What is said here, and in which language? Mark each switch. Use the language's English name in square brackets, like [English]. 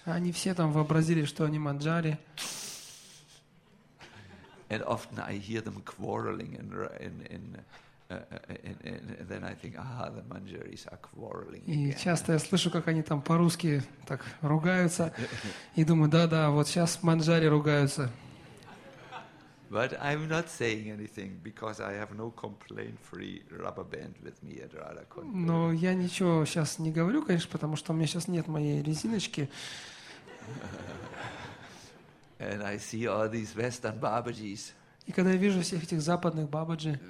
[Russian] Они все там вообразили, что они манджари. [English] And often I hear them quarreling and then I think, ah, the Manjaris are quarreling. [Russian] И часто я слышу, как они там по-русски так ругаются, и думаю, да-да, вот сейчас манджари ругаются. [English] But I'm not saying anything because I have no complaint-free rubber band with me at Radha Kund. [Russian] Но я ничего сейчас не говорю, конечно, потому что у меня сейчас нет моей резиночки. [English] And I see all these Western Babaji's. [Russian] И когда я вижу всех этих западных бабаджи.